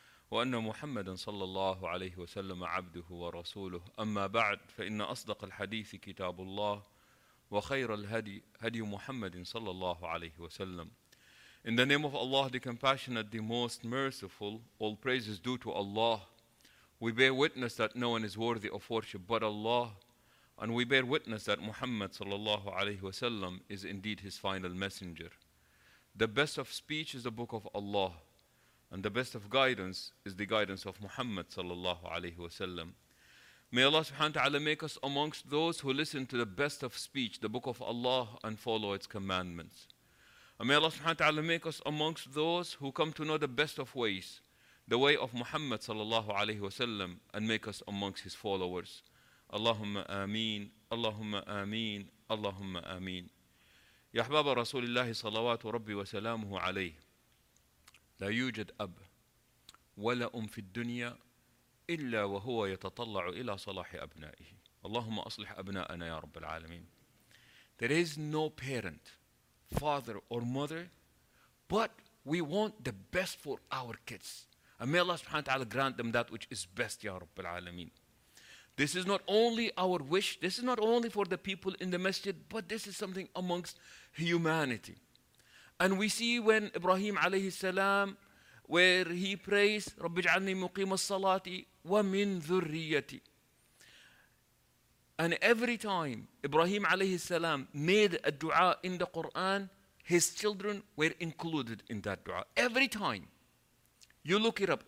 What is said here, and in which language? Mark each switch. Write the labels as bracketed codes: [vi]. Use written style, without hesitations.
[ar] وأن محمدا صلى الله عليه وسلم عبده ورسوله أما بعد فإن أصدق الحديث كتاب الله وخير الهدي هدي محمد صلى الله عليه وسلم [en] In the name of Allah, the compassionate, the most merciful, all praises due to Allah. We bear witness that no one is worthy of worship but Allah. And we bear witness that Muhammad sallallahu alayhi wasallam is indeed his final messenger. The best of speech is the book of Allah, and the best of guidance is the guidance of Muhammad sallallahu alayhi wasallam. May Allah subhanahu wa ta'ala make us amongst those who listen to the best of speech, the book of Allah, and follow its commandments. And may Allah subhanahu wa ta'ala make us amongst those who come to know the best of ways, the way of Muhammad sallallahu alayhi wasallam, and make us amongst his followers. [ar] اللهم آمين اللهم آمين اللهم آمين يا أحباب رسول الله صلوات ربي وسلامه عليه لا يوجد أب ولا أم في الدنيا إلا وهو يتطلع إلى صلاح أبنائه اللهم أصلح أبناءنا يا رب العالمين [en] There is no parent, father or mother, but we want the best for our kids. And may Allah subhanahu wa ta'ala grant them that which is best, ya [ar] رب العالمين. [en] This is not only our wish, this is not only for the people in the masjid, but this is something amongst humanity. And we see when Ibrahim alayhi salam, where he prays, [ar] رَبِّ جَعَلْنِي مُقِيمَ الصَّلَاةِ وَمِن ذُرِّيَّتِي [en] And every time Ibrahim alayhi salam made a dua in the Quran, his children were included in that dua. Every time. You look it up.